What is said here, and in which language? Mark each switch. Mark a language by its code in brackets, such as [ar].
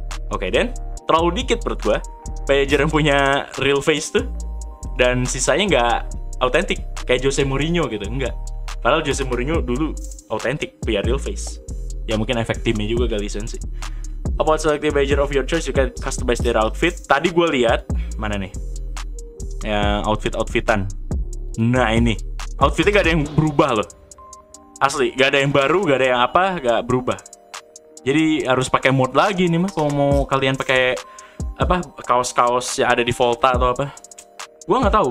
[id] Oke, dan terlalu dikit menurut gue manager yang punya real face tuh. Dan sisanya nggak autentik, kayak Jose Mourinho gitu, enggak. Padahal Jose Mourinho dulu autentik, punya real face. Ya mungkin efek timnya juga gak lisensi. [en] Upon selecting manager of your choice, you can customize their outfit. [id] Tadi gue lihat mana nih? Yang outfit-outfitan. Nah ini, outfitnya gak ada yang berubah loh. Asli, gak ada yang baru, gak ada yang apa, gak berubah. Jadi harus pakai mod lagi nih mah, kalau mau kalian pakai apa kaos-kaos yang ada di Volta atau apa. Gue gak tahu.